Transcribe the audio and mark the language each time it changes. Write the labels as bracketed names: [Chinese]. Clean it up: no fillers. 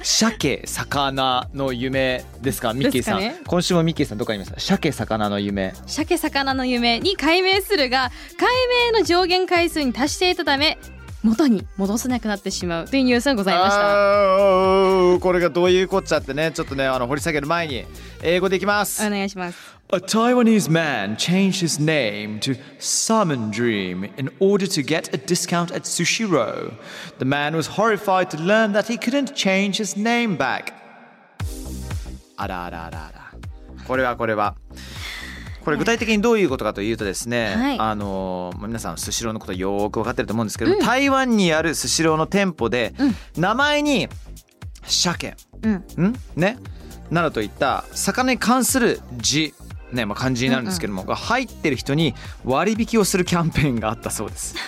[Japanese] 鮭魚の夢ですか、ミッキーさん、ね、今週もミッキーさんどこにいました、鮭魚の夢、鮭魚の夢に解明するが、解明の上限回数に達していたため元に戻せなくなってしまうというニュースがございました。これがどういうこっちゃってね、ちょっとね、掘り下げる前に英語でいきます。お願いします。 [English] A Taiwanese man changed his name to Salmon Dream in order to get a discount at Sushiro. The man was horrified to learn that he couldn't change his name back. [Japanese] あらあらあらあら、これはこれはこれ具体的にどういうことかというとですね、はい、皆さんスシローのことよく分かってると思うんですけど、うん、台湾にあるスシローの店舗で、うん、名前に鮭、ね、などといった魚に関する字、ね、まあ、漢字になるんですけども、うんうん、が入ってる人に割引をするキャンペーンがあったそうです